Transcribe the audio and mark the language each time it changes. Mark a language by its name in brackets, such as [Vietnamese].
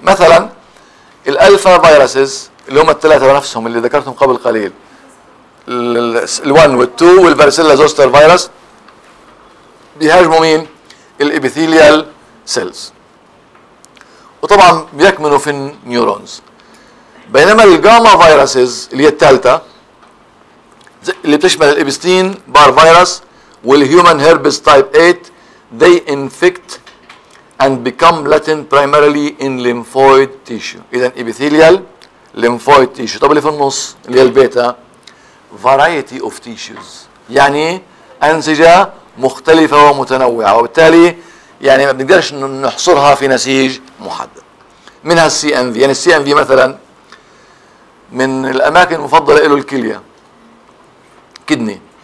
[Arabic] مثلا الالفا فيروسز اللي هم الثلاثه نفسهم اللي ذكرتهم قبل قليل، ال1 وال2 والفاريسيلا زوستر فيروس، بيهاجموا مين؟ الابيثيليال سيلز، وطبعا بيكمنوا في النيورونز. بينما الجاما فيروسز اللي هي الثالثه اللي بتشمل الابستين بار فيروس والهيومن هيربس تايب 8، [English] they infect and become latent primarily in lymphoid tissue. [Arabic] إذن [English] epithelial lymphoid tissue. [Arabic] طب اللي في النص اللي هي البيتا، [English] variety of tissues، [Arabic] يعني أنسجة مختلفة ومتنوعة، وبالتالي يعني ما بنقدرش نحصرها في نسيج محدد. منها السي ان في، يعني السي ان في مثلا من الأماكن المفضلة له الكلية، كدني.